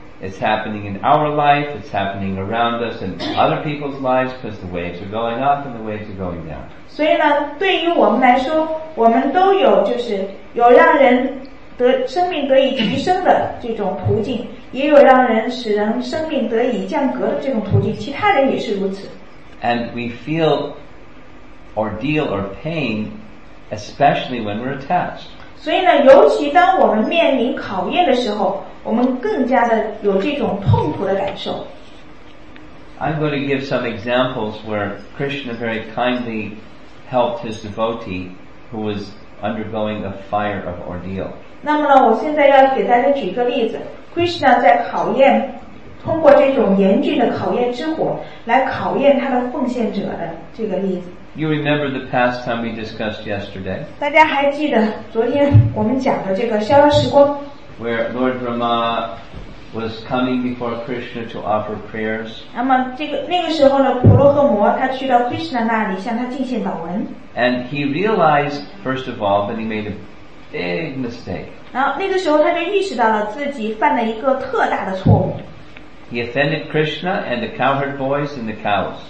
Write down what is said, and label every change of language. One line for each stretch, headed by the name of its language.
English: It's happening in our life, it's happening around us in other people's lives because the waves are going up and the waves are going down.
Chinese: 所以呢，对于我们来说，我们都有就是有让人生命得以提升的这种途径，也有让使人生命得以降格的这种途径，其他人也是如此。
English: And we feel ordeal or pain, especially when we're attached.
Chinese: 所以呢，尤其当我们面临考验的时候， 我们更加的有这种痛苦的感受。
English: I'm going to give some examples where Krishna very kindly helped his devotee who was undergoing a fire of ordeal.
Chinese: 那么呢，我现在要给大家举个例子， Krishna在考验， 通过这种严峻的考验之火， 来考验他的奉献者的这个例子。
English: You remember the pastime we discussed yesterday?
Chinese: 大家还记得昨天我们讲的这个逍遥时光，
English: where Lord Brahma was coming before Krishna to offer prayers.
Chinese: 那么这个那个时候呢，婆罗诃摩他去到Krishna那里向他进献祷文。
English: And he realized, first of all, that he made a big mistake.
Chinese: 然后那个时候他就意识到了自己犯了一个特大的错误。
English: He offended Krishna and the cowherd boys and the cows.